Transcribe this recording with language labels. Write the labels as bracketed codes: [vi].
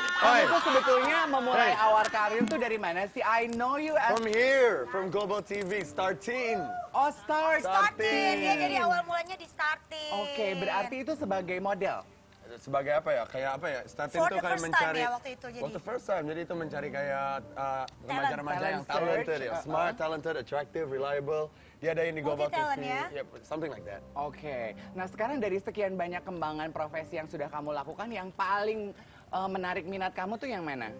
[id] Kamu tuh sebetulnya memulai awal karir tuh dari mana sih? [en] I know you as... From here, from Global TV, Starting. Oh, Starting. [id] Iya, jadi awal mulanya di Starting. Oke, berarti itu sebagai model? Sebagai apa ya? Kayak apa ya? Starting tuh kayak mencari... [en] For the first time [id] ya waktu itu. [en] For the first time, [id] jadi itu mencari kayak remaja-remaja yang talented. Ya. [en] Smart, talented, attractive, reliable. [id] Diadain di Global TV. Multi-talent ya? [en] Yeah, something like that. [id] Oke. Nah, sekarang dari sekian banyak kembangan profesi yang sudah kamu lakukan, yang paling... menarik minat kamu tuh yang mana?